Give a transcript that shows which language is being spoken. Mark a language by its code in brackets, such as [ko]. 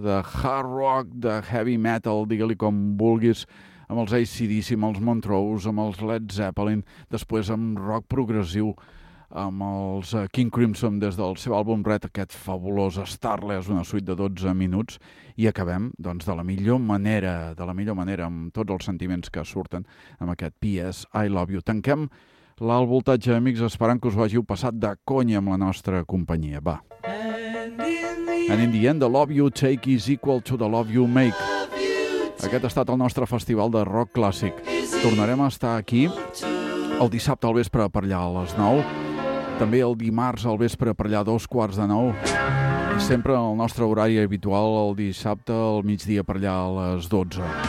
[ca] De hard rock, de heavy metal, digue-li com vulguis, amb els AC/DC, amb els Montrose, amb els Led Zeppelin, després amb rock progressiu, amb els King Crimson des del seu àlbum Red, aquest fabulós Starless, una suite de 12 minuts, i acabem, doncs, de la millor manera, amb tots els sentiments que surten amb aquest P.S. I Love You. Tanquem l'alt voltatge, amics, esperant que us ho hàgiu passat de conya amb la nostra companyia. Va. [en] And in the end, the love you take is equal to the love you make. [ca] Aquest ha estat el nostre festival de rock clàssic. Tornarem a estar aquí el dissabte al vespre per allà a les 9, també el dimarts al vespre per allà 8:45, i sempre en el nostre horari habitual, el dissabte al migdia per allà a les 12.